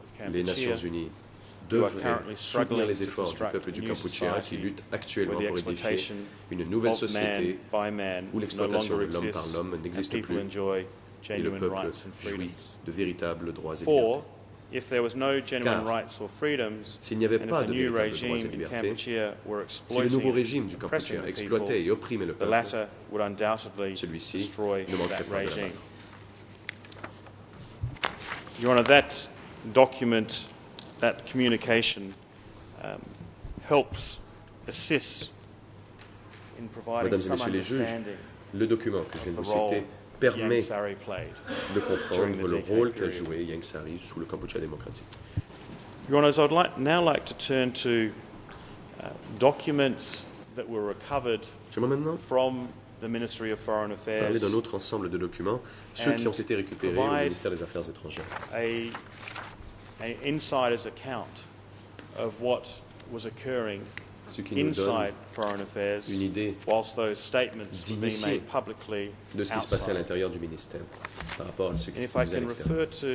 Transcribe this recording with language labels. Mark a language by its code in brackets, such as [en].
[fr] Les Nations unies devraient soutenir les efforts du peuple du Kampuchea qui lutte actuellement pour édifier une nouvelle société où l'exploitation de l'homme par l'homme n'existe plus et le peuple jouit de véritables droits et libertés. [en] If there was no genuine rights or freedoms, [fr] s'il n'y avait pas de véritables droits et libertés, si le nouveau régime du Kampuchea exploitait et opprimait le peuple, celui-ci ne manquerait pas de l'abattre. [en] Your Honor, that document, that communication, helps assist in providing some understanding. [fr] Le document que je viens de vous citer permet de comprendre le rôle qu'a joué Yang Sari sous le Kampuchea démocratique. [en] Your Honours, I'd like now like to turn to documents that were recovered from the Ministry of Foreign Affairs. [fr] Parler d'un autre ensemble de documents, ceux qui ont été récupérés au ministère des Affaires étrangères. [en] An insider's account of what was occurring inside foreign affairs, [fr] une idée [en] whilst those statements were being made publicly [fr] de ce qui se passait à l'intérieur du ministère par rapport à ce qui se faisait à l'extérieur.